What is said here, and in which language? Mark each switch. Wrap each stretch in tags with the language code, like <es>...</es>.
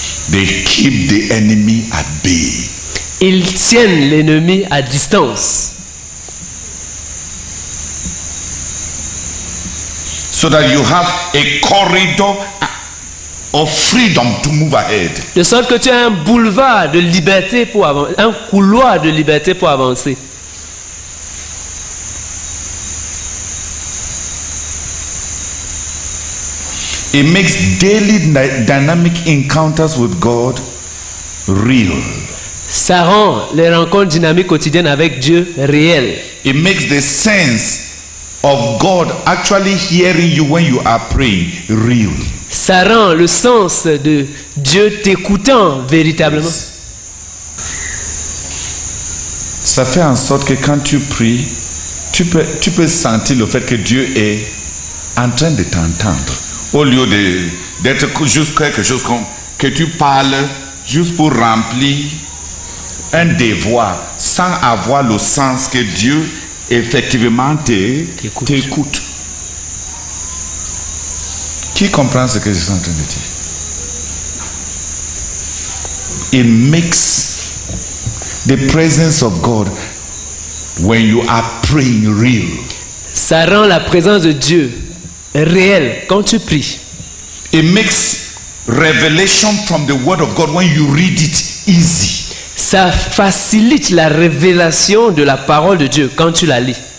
<en>They keep the enemy at bay.</en> <fr>Ils tiennent l'ennemi à distance.</fr> <en>So that you have a corridor of freedom to move ahead.</en> <fr>De sorte que tu as un boulevard de liberté pour avancer, un couloir de liberté pour avancer.</fr> <en>It makes daily dynamic encounters with God real.</en> <fr>Ça rend les rencontres dynamiques quotidiennes avec Dieu réelles.</fr> <en>It makes the sense of God actually hearing you when you are praying real.</en> <fr>Ça rend le sens de Dieu t'écoutant véritablement.</fr> <en>Yes.</en> <fr>Ça fait en sorte que quand tu pries, tu peux sentir le fait que Dieu est en train de t'entendre. Au lieu d'être juste quelque chose comme que tu parles juste pour remplir un devoir sans avoir le sens que Dieu effectivement t'écoute. Qui comprend ce que je suis en train de dire?</fr> <en>It makes the presence of God when you are praying real.</en> <fr>Ça rend la présence de Dieu réelle quand tu pries.</fr> <en>It makes revelation from the word of God when you read it easy.</en> <fr>Ça facilite la révélation de la parole de Dieu quand tu la lis.</fr>